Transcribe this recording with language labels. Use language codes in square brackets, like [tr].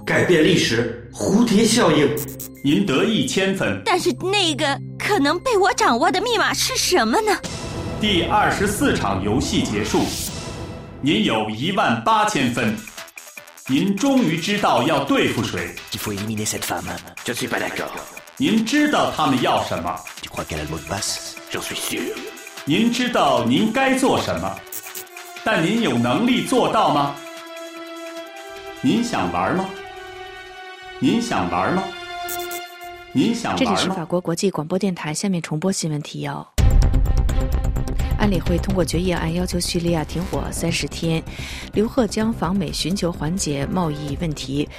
[zh] 改变历史蝴蝶效应您得1000分但是那个可能被我掌握的密码是什么呢第24场游戏结束您有18000分您终于知道要对付谁 [fr] Il faut éliminer cette femme Je suis pas d'accord [zh] 您知道他们要什么 [fr] Tu crois qu'elle a le mot de passe Je suis sûr [zh] 您知道您该做什么，但您有能力做到吗？您想玩吗？您想玩吗？您想玩吗？这里是法国国际广播电台，下面重播新闻提要。安理会通过决议案要求叙利亚停火30天，刘鹤将访美寻求缓解贸易问题。